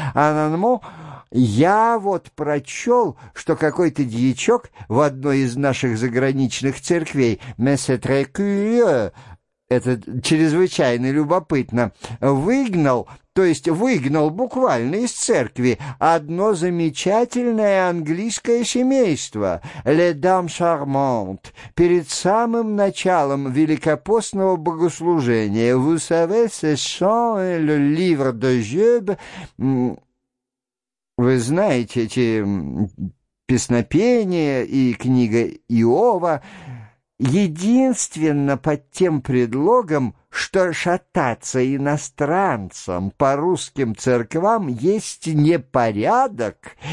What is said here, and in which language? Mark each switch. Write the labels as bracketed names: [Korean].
[Russian] Анонмо, я вот прочел, что какой-то дьячок в одной из наших заграничных церквей, [French] месетрекюе, [Russian] это чрезвычайно любопытно, выгнал, то есть выгнал буквально из церкви одно замечательное английское семейство, [French] «les dames charmantes», [Russian] перед самым началом великопостного богослужения. [French] «Vous savez, c'est chant, le livre de Job». [Russian] Вы знаете эти песнопения и книга Иова, единственно под тем предлогом, что шататься иностранцам по русским церквам есть непорядок,